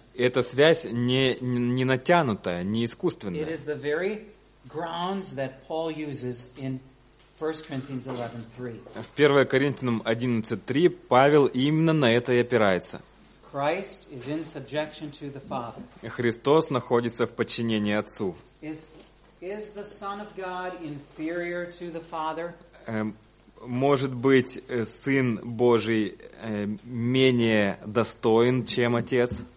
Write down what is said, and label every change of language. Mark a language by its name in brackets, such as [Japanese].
[Russian] Эта связь не натянутая, не искусственная. [English] It is the very grounds that Paul uses in 1 Corinthians 11:3. [Russian] В 1 Коринфянам 11:3 Павел именно на это и опирается. [English] Christ is in subjection to the Father. [Russian] Христос находится в подчинении Отцу. [English] Is the Son of God inferior to the Father? [Russian] Может быть, Сын Божий менее достоин, чем Отец?